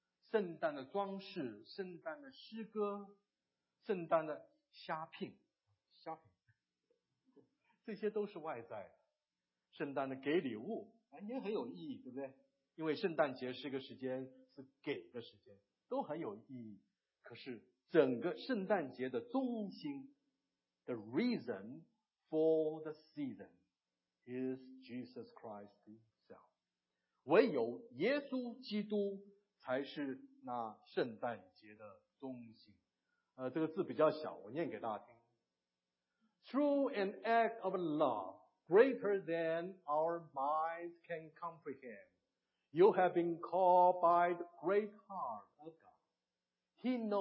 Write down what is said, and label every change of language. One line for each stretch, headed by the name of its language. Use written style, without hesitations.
Chinese: 圣诞的装饰、圣诞的诗歌、圣诞的瞎品，这些都是外在的。圣诞的给礼物也很有意义，对不对？因为圣诞节是一个时间，是给的时间，都很有意义。可是整个圣诞节的中心，
English: The reason for the season is Jesus Christ himself.
Chinese: 唯有耶稣基督才是那圣诞节的中心。这个字比较小，我念给大家听。
English: Through an act of love greater than our minds can comprehend, you have been called by the great heart of God.